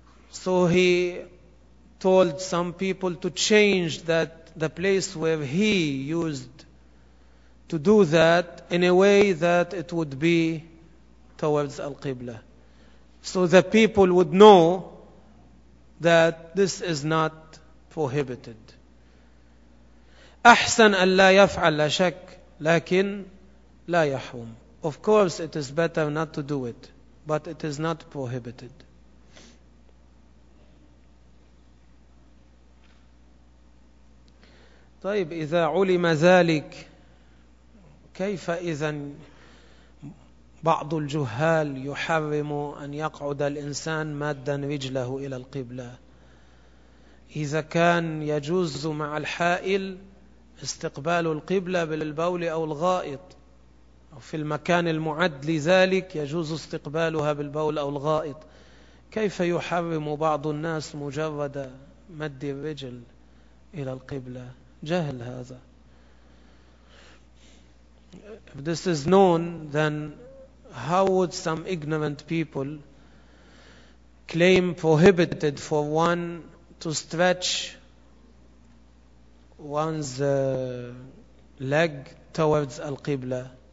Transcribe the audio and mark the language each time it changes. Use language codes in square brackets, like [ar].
[en] So he told some people to change that, the place where he used to do that, in a way that it would be towards al-qibla, so the people would know that this is not prohibited. [ar] أحسن أن لا يفعل لا شك لكن لا يحرم. [en] Of course it is better not to do it, but it is not prohibited. [ar] طيب إذا علم ذلك كيف إذن بعض الجهال يحرم أن يقعد الإنسان مادا رجله إلى القبلة؟ إذا كان يجوز مع الحائل استقبال القبلة بالبول أو الغائط، في المكان المعد لذلك يجوز استقبالها بالبول أو الغائط، كيف يحرم بعض الناس مجرد مد الرجل إلى القبلة؟ جهل هذا. [en] If this is known, then how would some ignorant people claim prohibited for one to stretch one's leg towards al-qibla?